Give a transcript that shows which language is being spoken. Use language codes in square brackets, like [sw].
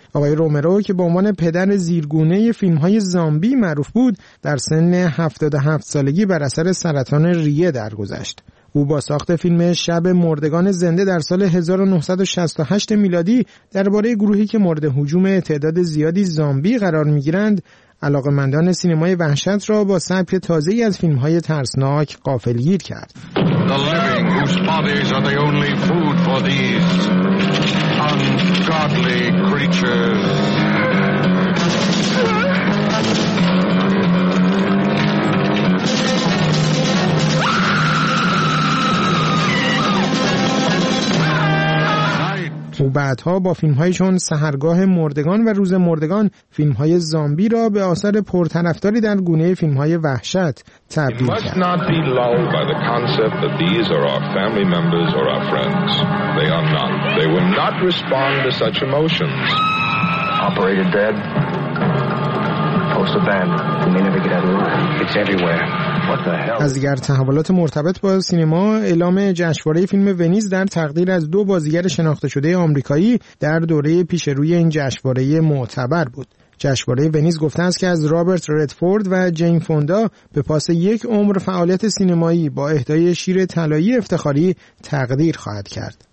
[fa] آقای رومرو که به عنوان پدر زیرگونه فیلمهای زامبی معروف بود در سن 77 سالگی بر اثر سرطان ریه درگذشت. او با ساخت فیلم شب مردگان زنده در سال 1968 میلادی درباره گروهی که مورد هجوم تعداد زیادی زامبی قرار می‌گیرند، علاقه‌مندان سینمای وحشت را با سبک تازه‌ای از فیلم‌های ترسناک غافلگیر کرد. [en] The living whose bodies are the only food for these ungodly creatures. [fa] و بعدها با فیلم‌های چون سحرگاه مردگان و روز مردگان فیلم‌های زامبی را به آثار پرطرفداری در گونه فیلم‌های وحشت تبدیل کرد. [en] Must not be lulled by the concept that these are our family members or our friends. They are not. They will not respond to such emotions. Operated dead. Post abandoned. They may never get out of the room. It's everywhere. [fa] از دیگر تحولات مرتبط با سینما، اعلام جشنواره فیلم ونیز در تقدیر از دو بازیگر شناخته شده آمریکایی در دوره پیشروی این جشنواره معتبر بود. جشنواره ونیز گفته است که از رابرت ردفورد و جین فوندا به پاس یک عمر فعالیت سینمایی با اهدای شیر طلایی افتخاری تقدیر خواهد کرد.